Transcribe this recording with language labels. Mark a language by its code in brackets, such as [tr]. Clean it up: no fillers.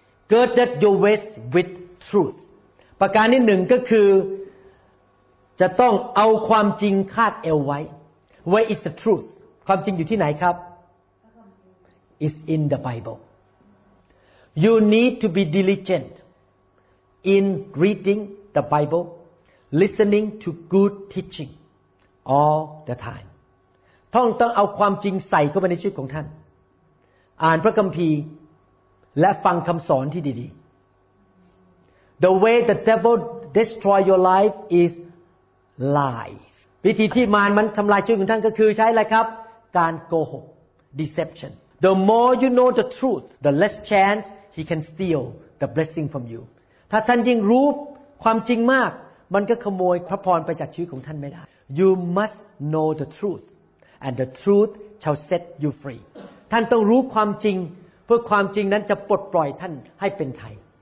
[en] Girded your waist with truth. [th] ประการที่หนึ่งก็คือจะต้องเอาความจริงคาดเอวไว้ [en] Where is the truth? [th] ความจริงอยู่ที่ไหนครับ [en] It's in the Bible. You need to be diligent in reading the Bible, listening to good teaching all the time. [th] ต้องเอาความจริงใส่เข้าไปในชีวิตของท่านอ่านพระคัมภีร์และฟังคำสอนที่ดีๆ [en] The way the devil destroy your life is [th] lies วิธีที่มารมันทำลายชีวิตของท่านก็คือใช้อะไรครับการโกหก deception [en] The more you know the truth the less chance he can steal the blessing from you [th] ถ้าท่านยิ่งรู้ความจริงมากมันก็ขโมยพระพรไปจากชีวิตของท่านไม่ได้ [en] You must know the truth and the truth shall set you free [th] ท่านต้องรู้ความจริงเพื่อความจริงนั้นจะปลดปล่อยท่านให้เป็นไทย